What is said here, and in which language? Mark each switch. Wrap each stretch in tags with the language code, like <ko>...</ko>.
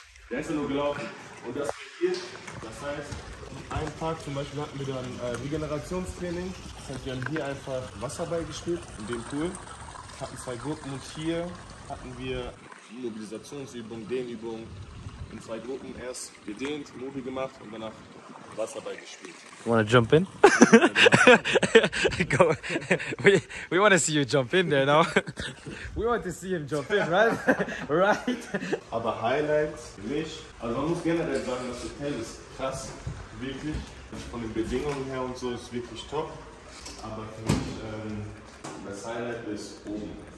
<de>Der ist ja nur gelaufen. Und das geht hier. Das heißt, in einem Park zum Beispiel hatten wir dann Regenerationstraining. Das heißt, wir haben hier einfach Wasserball gespielt, in dem Pool. Wir hatten zwei Gruppen und hier hatten wir Mobilisationsübung, Dehnübung. In zwei Gruppen erst gedehnt, Mobi gemacht und danach Wasserball gespielt.</de> <en>Wanna jump in? Go. We wanna see you jump in there now. We want to see him jump in, right? Right?</en> <de>Aber Highlights, nicht. Also man muss generell sagen, das Hotel ist krass, wirklich. Von den Bedingungen her und so ist wirklich top. Aber für mich, das Highlight ist oben.</de>